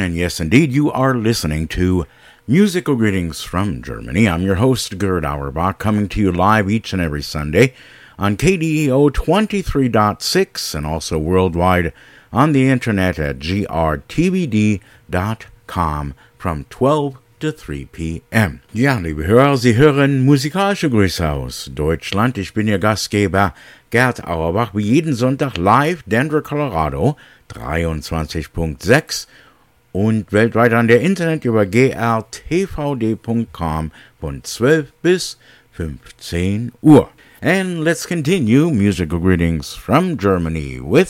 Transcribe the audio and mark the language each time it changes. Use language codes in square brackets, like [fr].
[en] And yes, indeed, you are listening to Musical Greetings from Germany. I'm your host, Gerd Auerbach, coming to you live each and every Sunday on KDEO 23.6 and also worldwide on the internet at grtvd.com from 12 to 3 p.m. [de] Ja, liebe Hörer, Sie hören musikalische Grüße aus Deutschland. Ich bin Ihr Gastgeber, Gerd Auerbach, wie jeden Sonntag live, Denver, Colorado, 23.6 und weltweit an der Internet über grtvd.com von 12 bis 15 Uhr. [en] And let's continue musical greetings from Germany with